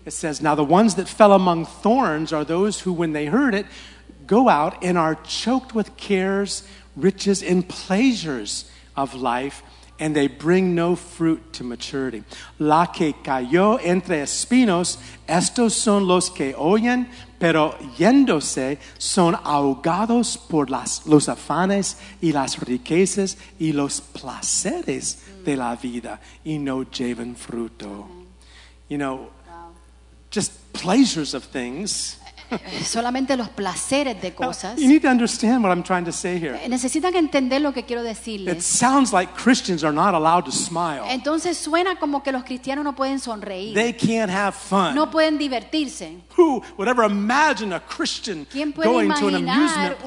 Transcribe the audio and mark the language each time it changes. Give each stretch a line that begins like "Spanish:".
English: It says, now the ones that fell among thorns are those who, when they heard it, go out and are choked with cares, riches and pleasures of life, and they bring no fruit to maturity.
Spanish: La que cayó entre espinos, estos son los que oyen, pero yéndose son ahogados por los afanes y las riquezas y los placeres de la vida, y no llevan fruto.
English: You know, just pleasures of things.
Spanish: Solamente los placeres de cosas.
English: You need to understand what I'm trying to say here.
Spanish: Necesitan entender lo que quiero decirles.
English: It sounds like Christians are not allowed to smile.
Spanish: Entonces suena como que los cristianos no pueden sonreír.
English: They can't have fun.
Spanish: No pueden divertirse.
English: Who would ever imagine a Christian going to an amusement park?